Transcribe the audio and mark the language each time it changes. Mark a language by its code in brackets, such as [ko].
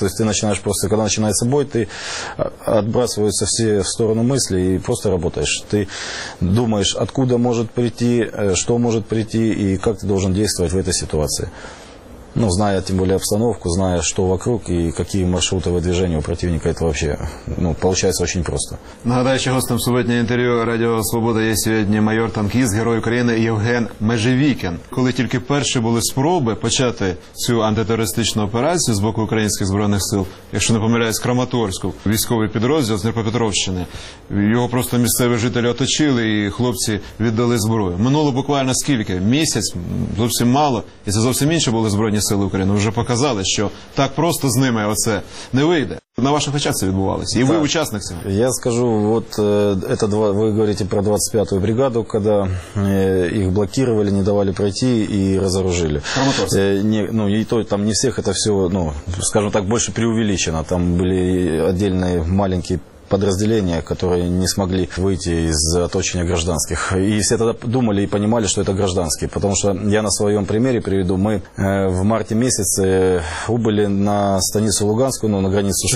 [ru] То есть ты начинаешь просто, когда начинается бой, ты отбрасываются все в сторону мысли и просто работаешь. Ты думаешь, откуда может прийти, что может прийти, и как ты должен действовать в этой ситуации. Ну, зная тем более обстановку, зная, что вокруг и какие маршруты выдвижения у противника, это вообще, ну, получается очень просто. [uk] Нагадаю, что гостем субботнего интервью «Радио Свобода» є сьогодні майор-танкіст, герой України Євген Межевікін. Коли тільки перші були спроби почати цю антитерористичну операцію з боку українських збройних сил, якщо не помиляюсь, Краматорську, військовий підрозділ з Дніпропетровщини, його просто місцеві жителі оточили і хлопці віддали зброю. Минуло буквально скільки? Місяць? Зовсім мало. І це зовсім інше були зброї. Збройні сили України вже показали, що так просто з ними оце не вийде. На ваших очах це відбувалося. І так, ви учасник цього. Я скажу, от це ви говорите про 25-ту бригаду, коли їх блокували, не давали пройти і розоружили. Ну, і то там не всіх, це все, ну, скажімо так, більше преувеличено. Там були окремі маленькі [ru] подразделения, которые не смогли выйти из оточения гражданских. И все тогда думали и понимали, что это гражданские. Потому что я на своем примере приведу. Мы в марте месяце убыли на станицу Луганскую, ну, на границу...